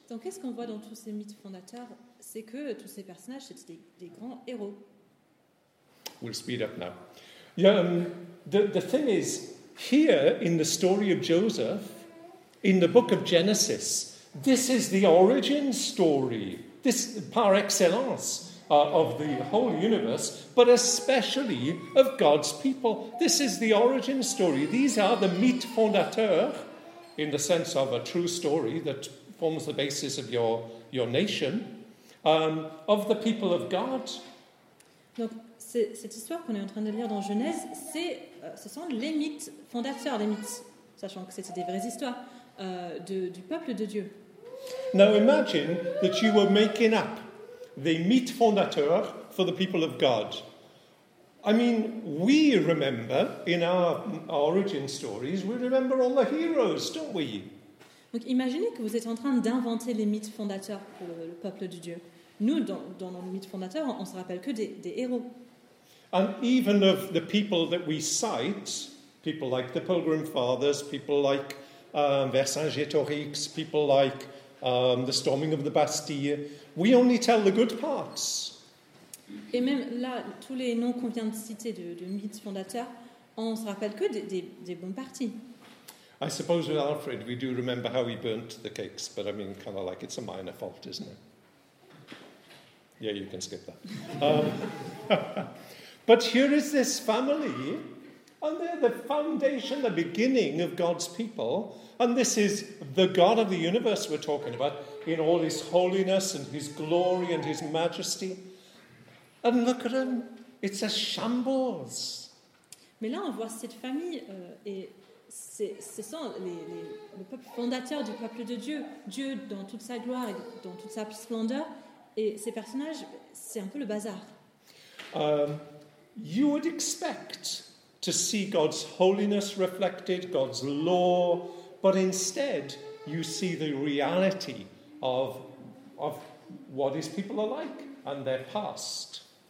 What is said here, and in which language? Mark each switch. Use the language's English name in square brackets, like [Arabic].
[French] Donc, qu'est-ce qu'on voit dans tous ces mythes fondateurs? C'est que tous ces personnages, c'est des grands héros. [English] We'll speed up now. Yeah, the thing is, here in the story of Joseph, in the book of Genesis, this is the origin story, this par excellence of the whole universe, but especially of God's people. This is the origin story. These are the [French] mythes fondateurs, [English] in the sense of a true story that forms the basis of your nation, of the people of God. [French] Donc, cette histoire qu'on est en train de lire dans Genèse, ce sont les mythes fondateurs, les mythes, sachant que c'était des vraies histoires, du peuple de Dieu. [English] Now imagine that you were making up the [French] mythes fondateurs [English] for the people of God. I mean, we remember in our origin stories, we remember all the heroes, don't we? [French] Donc imaginez que vous êtes en train d'inventer les mythes fondateurs pour le peuple de Dieu. Nous, dans nos mythes fondateurs, on se rappelle que des héros. [English] And even of the people that we cite, people like the Pilgrim Fathers, people like Vercingétorix, people like the storming of the Bastille, we only tell the good parts. [French] Et même là, tous les noms qu'on vient de citer de mythes fondateurs, on se rappelle que des bonnes parties. [English] I suppose with Alfred, we do remember how he burnt the cakes, but I mean, kind of like it's a minor fault, isn't it? Yeah, you can skip that. but here is this family, and they're the foundation, the beginning of God's people, and this is the God of the universe we're talking about, in all his holiness and his glory and his majesty. And look at them, it's a shambles. [French] Mais là, on voit cette famille et ce sont le peuple fondateur du peuple de Dieu. Dieu dans toute sa gloire et dans toute sa splendeur. Et ces personnages, c'est un peu le bazar. [English] You would expect to see God's holiness reflected, God's law, but instead, you see the reality of what his people are like and their past.